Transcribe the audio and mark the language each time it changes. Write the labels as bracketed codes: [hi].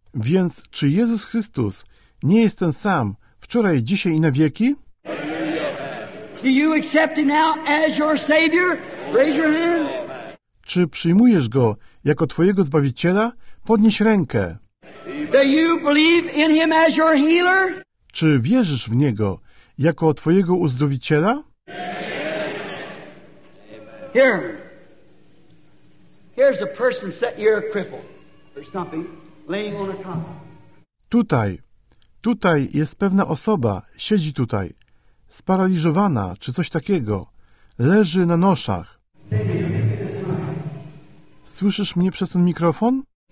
[pl] Więc czy Jezus Chrystus nie jest ten sam wczoraj, dzisiaj i na wieki? [en] Do you accept him now as your savior? Raise your hand. [pl] Czy przyjmujesz go jako twojego zbawiciela? Podnieś rękę. [en] Do you believe in him as your healer? [pl] Czy wierzysz w niego jako twojego uzdrowiciela? [en] Here. Here's a person sitting here, a cripple or something, laying on a cot. [pl] Tutaj jest pewna osoba, siedzi tutaj, sparaliżowana czy coś takiego, leży na noszach. Słyszysz mnie przez ten mikrofon?